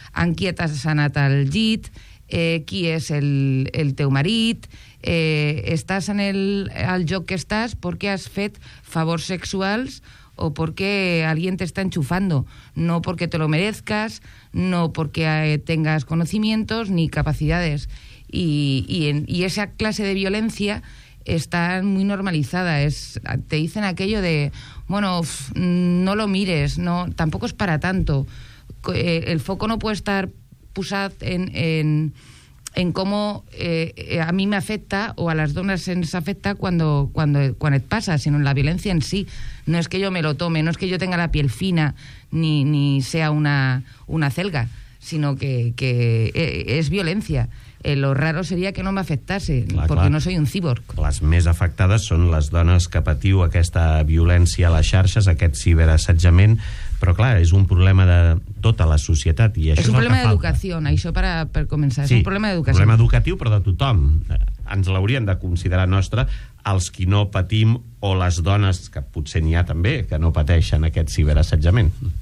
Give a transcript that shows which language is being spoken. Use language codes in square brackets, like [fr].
[ca] En qui t'has anat al llit, qui és el teu marit, estàs en el lloc que estàs perquè has fet favors sexuals o perquè [es] alguien te está enchufando, [ca] no perquè [es] te lo merezcas, [ca] no perquè [es] tengas conocimientos ni capacidades. Y esa clase de violencia está muy normalizada. Te dicen aquello de, bueno, no lo mires, no, tampoco es para tanto. El foco no puede estar posat en cómo a mí me afecta o a las donas [ca] ens afecta [es] cuando pasa, sino en la violencia en sí. No es que yo me lo tome, no es que yo tenga la piel fina ni sea una celga, sino que es violencia. Lo raro sería que no m'afectase, porque no soy un cíborg. [ca] Les més afectades són les dones que patiu aquesta violència a les xarxes, aquest ciberassetjament, però clar, és un problema de tota la societat. I això és un problema d'educació, això per començar. Sí, és un problema d'educació. Problema educatiu, però de tothom. Ens l'haurien de considerar nostre els qui no patim, o les dones, que potser n'hi ha també, que no pateixen aquest ciberassetjament.